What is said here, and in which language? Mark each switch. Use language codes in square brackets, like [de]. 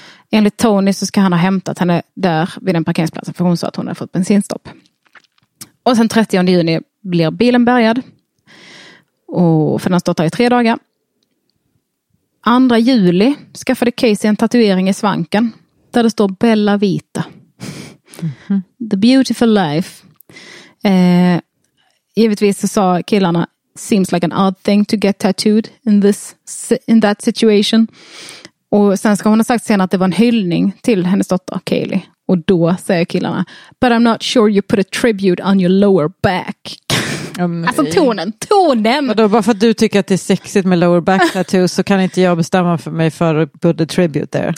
[sv] Enligt Tony så ska han ha hämtat henne där vid den parkeringsplatsen, för hon sa att hon hade fått bensinstopp. Och sen 30 juni blir bilen bärgad. Och för den står där i 3 dagar. 2 juli skaffade Casey en tatuering i svanken där det står Bella Vita. [en] Mm-hmm. The beautiful life. [sv] Givetvis så sa killarna, [en] seems like an odd thing to get tattooed in that situation. [sv] Och sen ska hon ha sagt sen att det var en hyllning till hennes dotter Kaylee. Och då säger killarna, [en] but I'm not sure you put a tribute on your lower back. [sv] Alltså tonen. Vadå, bara för att du tycker att det är sexigt med [en] lower back tattoo [sv] så kan inte jag bestämma för mig för att [en] put a tribute there.